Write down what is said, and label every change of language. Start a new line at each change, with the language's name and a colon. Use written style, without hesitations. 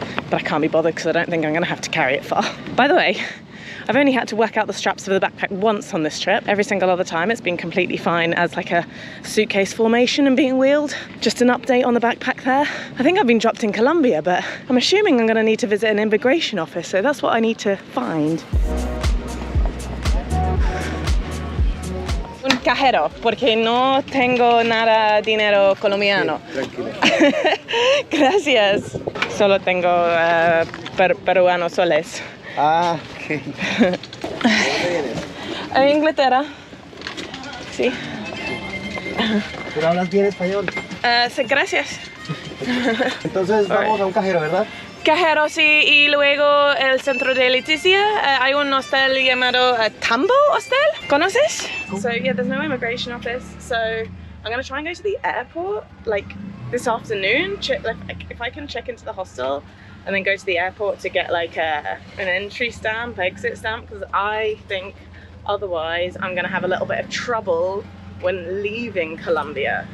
English: But I can't be bothered because I don't think I'm gonna have to carry it far. By the way, I've only had to whack out the straps of the backpack once on this trip. Every single other time it's been completely fine as like a suitcase formation and being wheeled. Just an update on the backpack there. I think I've been dropped in Colombia, but I'm assuming I'm gonna need to visit an immigration office. So that's what I need to find.
Spanish: Cajero, porque no tengo nada dinero colombiano. Gracias. Solo tengo peruano soles. Ah, okay. ¿En Inglaterra? Sí. ¿Pero hablas bien español? Sí, gracias. Entonces vamos right. A un cajero, ¿verdad? Cajero, sí, y luego el centro de Leticia. Hay un hostel llamado Tambo Hostel. ¿Conoces?
English: So, yeah, there's no immigration office. So, I'm gonna try and go to the airport like this afternoon. If I can check into the hostel and then go to the airport to get like an entry stamp, exit stamp, because I think otherwise I'm gonna have a little bit of trouble when leaving Colombia.